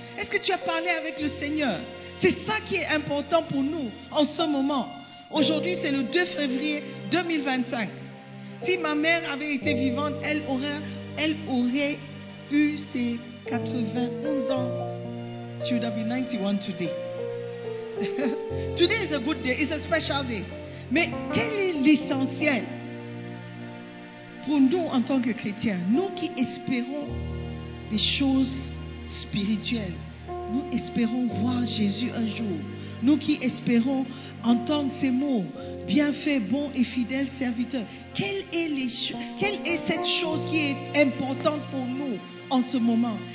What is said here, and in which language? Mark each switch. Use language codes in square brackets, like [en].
[fr] Est-ce que tu as parlé avec le Seigneur? C'est ça qui est important pour nous en ce moment. Aujourd'hui, c'est le 2 février 2025. Si ma mère avait été vivante, elle aurait eu ses 91 ans. [en] She would have been 91 today. Today is a good day. It's a special day. [fr] Mais quel est l'essentiel pour nous en tant que chrétiens? Nous qui espérons des choses spirituelles. Nous espérons voir Jésus un jour. Nous qui espérons entendre ces mots. Bien fait, bon et fidèle serviteur. Quelle est cette chose qui est importante pour nous en ce moment?